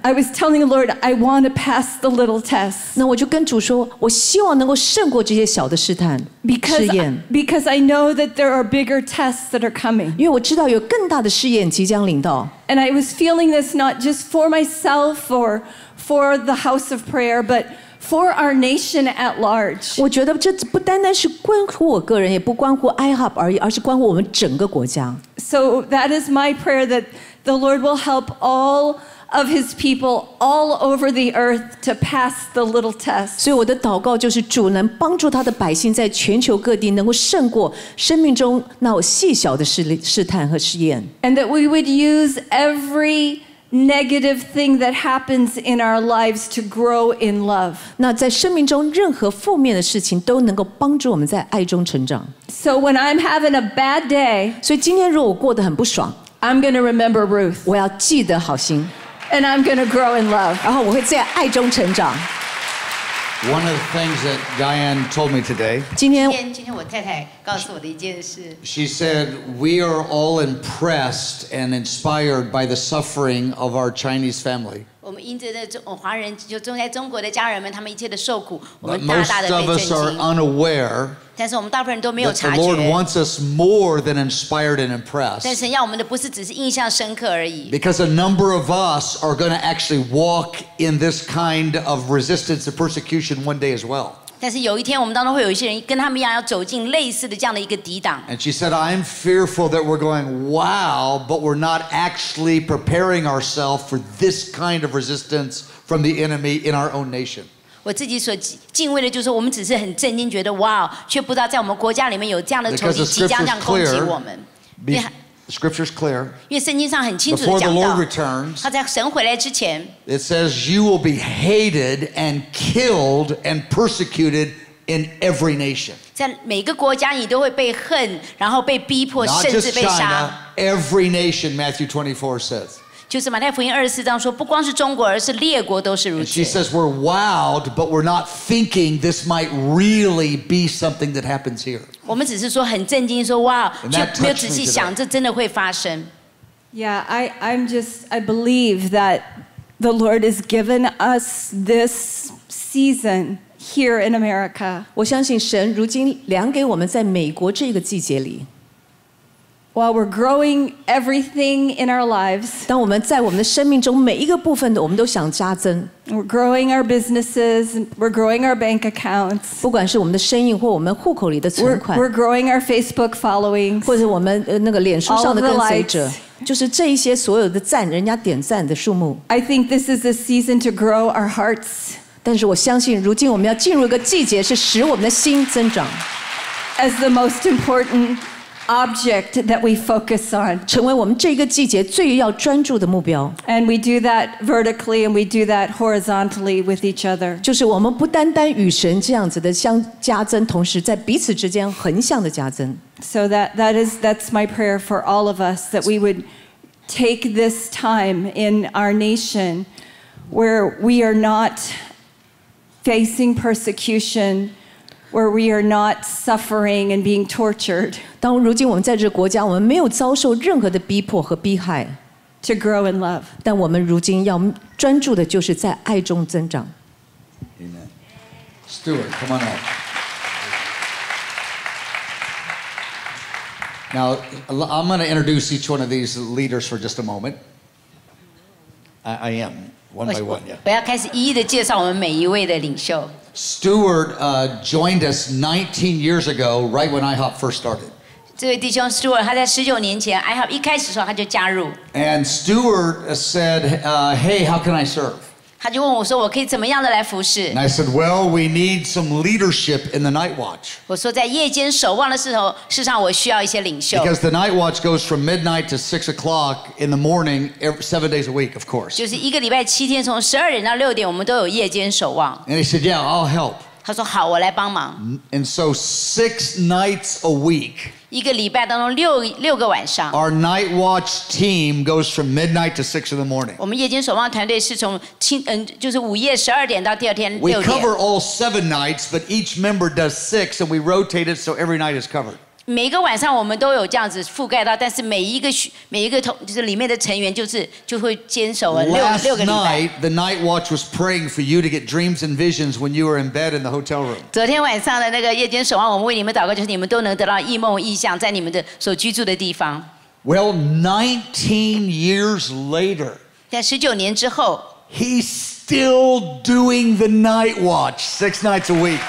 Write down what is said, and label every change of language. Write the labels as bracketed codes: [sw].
[en] I was telling the Lord, I want to pass the little test. [zh] 那我就跟主说，我希望能够胜过这些小的试探、试验。 [en] Because I know that there are bigger tests that are coming. [zh] 因为我知道有更大的试验即将临到。 [en] And I was feeling this not just for myself or for the house of prayer, but for our nation at large. [zh] 我觉得这不单单是关乎我个人，也不关乎 IHOP 而已，而是关乎我们整个国家。 [en] So that is my prayer that. The Lord will help all of His people all over the earth to pass the little test. [zh] 所以我的祷告就是主能帮助他的百姓在全球各地能够胜过生命中那细小的试探和试验。 [en] And that we would use every negative thing that happens in our lives to grow in love. [zh] 那在生命中任何负面的事情都能够帮助我们在爱中成长。 [en] So when I'm having a bad day, [zh] 所以今天如果我过得很不爽。 [en] I'm going to remember Ruth. [zh] 我要记得好心。 [en] And I'm going to grow in love. [zh] 然后我会在爱中成长。 [en] One of the things that Diane told me today. [zh] 今天我太太告诉我的一件事。 [en] She said we are all impressed and inspired by the suffering of our Chinese family. [zh] 我们因着那种华人就住在中国的家人们，他们一切的受苦，我们大大的被震惊。 [en] Most of us are unaware. [zh] 但是我们大部分人都没有察觉。 [en] The Lord wants us more than inspired and impressed. [zh] 但神要我们的不是只是印象深刻而已。 [en] Because a number of us are going to actually walk in this kind of resistance and persecution one day as well. [zh] 但是有一天我们当中会有一些人跟他们一样要走进类似的这样的一个抵挡。 [en] And she said, I'm fearful that we're going, wow, but we're not actually preparing ourselves for this kind of resistance from the enemy in our own nation. [zh] 我自己所敬畏的就是我们只是很震惊觉得哇却不知道在我们国家里面有这样的仇敌即将这样攻击我们 [en] The scripture is clear [zh] 因为圣经上很清楚地讲 [en] 到 Before the Lord returns [zh] 他在神回来之前 [en] It says you will be hated and killed and persecuted in every nation [zh] 在每个国家你都会被恨然后被逼迫甚至被杀 [en] Not just China Every nation Matthew 24 says [zh] 就是马太福音二十四章说，不光是中国，而是列国都是如此。 [en] She says we're wild, but we're not thinking this might really be something that happens here. [zh] 我们只是说很震惊，说哇，却没有仔细想这真的会发生。 [en] Yeah, I believe that the Lord has given us this season here in America. [zh] 我相信神如今量给我们在美国这个季节里。 [en] While we're growing everything in our lives, [zh] 当我们在我们的生命中每一个部分的，我们都想加增。 [en] We're growing our businesses, we're growing our bank accounts. [zh] 不管是我们的生意或我们户口里的存款。 [en] We're growing our Facebook followings. [zh] 或者我们那个脸书上的跟随者。就是这一些所有的赞，人家点赞的数目。 [en] I think this is a season to grow our hearts. [zh] 但是我相信，如今我们要进入一个季节，是使我们的心增长。 [en] As the most important. Object that we focus on, [zh] 成为我们这个季节最要专注的目标。 [en] And we do that vertically, and we do that horizontally with each other. [zh] 就是我们不单单与神这样子的相加增，同时在彼此之间横向的加增。 [en] So that's my prayer for all of us that we would take this time in our nation where we are not facing persecution. Where we are not suffering and being tortured. [zh] 当如今我们在这个国家，我们没有遭受任何的逼迫和逼害。 [en] To grow in love. [zh] 但我们如今要专注的就是在爱中增长。 [en] Amen. Stuart, come on up. Now, I'm going to introduce each one of these leaders for just a moment. I am one by one. Yeah. [zh] 我要开始一一的介绍我们每一位的领袖。 [en] Stuart joined us 19 years ago, right when IHOP first started. [zh] 这位弟兄 Stuart, 他在19年前 IHOP 一开始的时候他就加入。 [en] And Stuart said, "Hey, how can I serve?" [zh] 他就问我说，我可以怎么样的来服侍 [en] ？And I said, "Well, we need some leadership in the night watch." [zh] 我说在夜间守望的时候，事实上我需要一些领袖。 [en] Because the night watch goes from midnight to 6 o'clock in the morning, 7 days a week, of course. [zh] 就是一个礼拜七天，从12点到6点，我们都有夜间守望。 [en] And he said, "Yeah, I'll help." [zh] 他说好，我来帮忙。 [en] And so six nights a week. [zh] 一个礼拜当中六个晚上。 [en] Our night watch team goes from midnight to six in the morning. [zh] 我们夜间守望团队是从就是午夜十二点到第二天六点。 [en] We cover all seven nights, but each member does six, and we rotate it so every night is covered. [zh] 每个晚上我们都有这样子覆盖到，但是每一个就是里面的成员就会坚守了六个礼拜。 [en] Last night, the night watch was praying for you to get dreams and visions when you were in bed in the hotel room. [zh] 昨天晚上的那个夜间守望，我们为你们祷告，就是你们都能得到异梦异象，在你们的所居住的地方。 [en] Well, 19 years later. [zh] 在十九年之后。 [en] He's still doing the night watch six nights a week.